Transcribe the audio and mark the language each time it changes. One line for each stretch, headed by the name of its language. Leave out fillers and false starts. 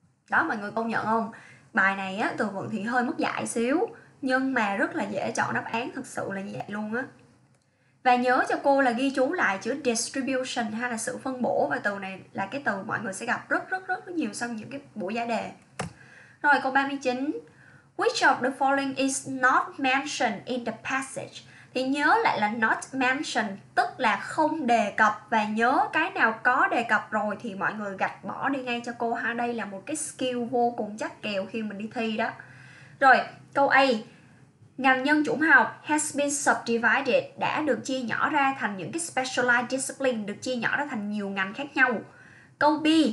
Vietnamese: Đó, mọi người công nhận không? Bài này á, từ vựng thì hơi mất dạy xíu, nhưng mà rất là dễ chọn đáp án, thực sự là như vậy luôn á. Và nhớ cho cô là ghi chú lại chữ distribution hay là sự phân bổ, và từ này là cái từ mọi người sẽ gặp rất rất rất nhiều trong những cái buổi giải đề. Rồi câu 39.
English: Which of the following is not mentioned in the passage?
Vietnamese: thì nhớ lại là
English: not mention,
Vietnamese: tức là không đề cập. Và nhớ cái nào có đề cập rồi thì mọi người gạch bỏ đi ngay cho cô ha. Đây là một cái skill vô cùng chắc kèo khi mình đi thi đó. Rồi, câu A. Ngành nhân chủng học
English: has been subdivided,
Vietnamese: đã được chia nhỏ ra thành những cái
English: specialized discipline,
Vietnamese: được chia nhỏ ra thành nhiều ngành khác nhau. Câu B.